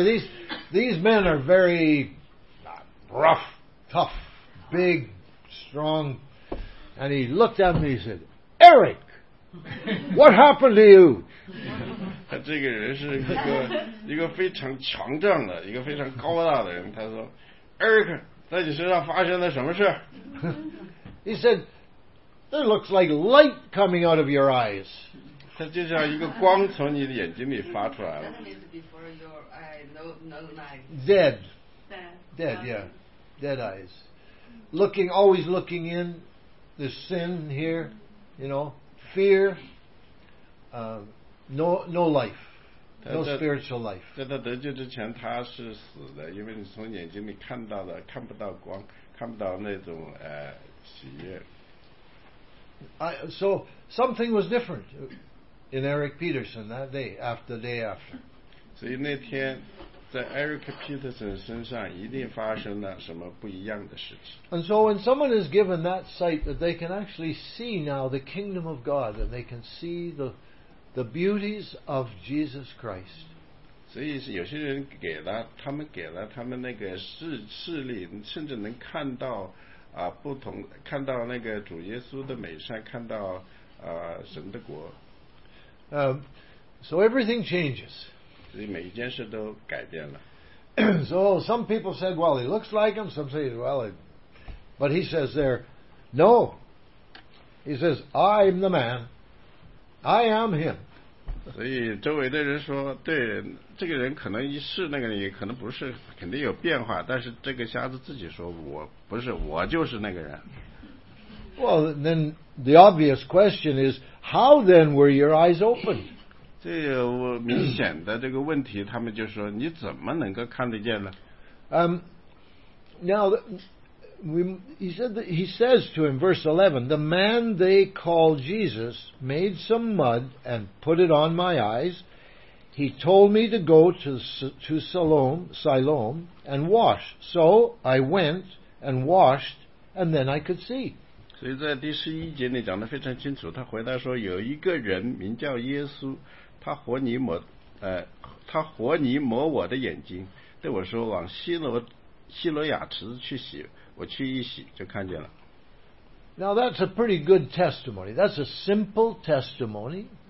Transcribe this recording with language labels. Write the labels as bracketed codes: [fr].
[en] Anyway, these men are very rough, tough, big, strong. And he looked at me and he said, Eric, what happened to you? [zh] 他这个人是一个非常强壮的一个非常高大的人，他说 Eric 在你身上发生了什么事？ [en] He said there looks like light coming out of your eyes. [zh] 他就像一个光从你的眼睛里发出来了。 [en] That means before your eye no light. Dead, yeah. Dead eyes. Looking, always looking in. There's sin here, you know. Fear. No life, no spiritual life. [zh] 在他得救之前，他是死的，因为你从眼睛里看到了，看不到光，看不到那种喜悦。 [en] So something was different in Eric Peterson that day, after the day after. [zh] 所以那天在 Eric Peterson 身上一定发生了什么不一样的事情。 [en] And so when someone is given that sight, that they can actually see now the kingdom of God, and they can see the beauties of Jesus Christ. [zh] 所以有些人给了他们给了他们那个视力，甚至能看到不同，看到那个主耶稣的美善，看到神的国。 [en] So everything changes. [zh] 所以每一件事都改变了。 [en] So some people said, well, he looks like him. Some say, well, But he says there, no. He says, I'm the man. I am him. [zh] 所以周围的人说，对，这个人可能一是那个人，也可能不是，肯定有变化。但是这个瞎子自己说，我不是，我就是那个人。 [en] Well, then the obvious question is, how then were your eyes opened? [zh] 这个我明显的这个问题，他们就说，你怎么能够看得见呢？ [en] Now, he says to him, verse 11, the man they call Jesus made some mud and put it on my eyes. He told me to go to Siloam and wash. So I went and washed, and then I could see. [zh] 所以在第十一节里讲得非常清楚，他回答说，有一个人名叫耶稣，他活泥抹我的眼睛，对我说，往希罗亚池子去洗，我去一洗就看见了。 [en] Now that's a pretty good testimony. That's a simple testimony.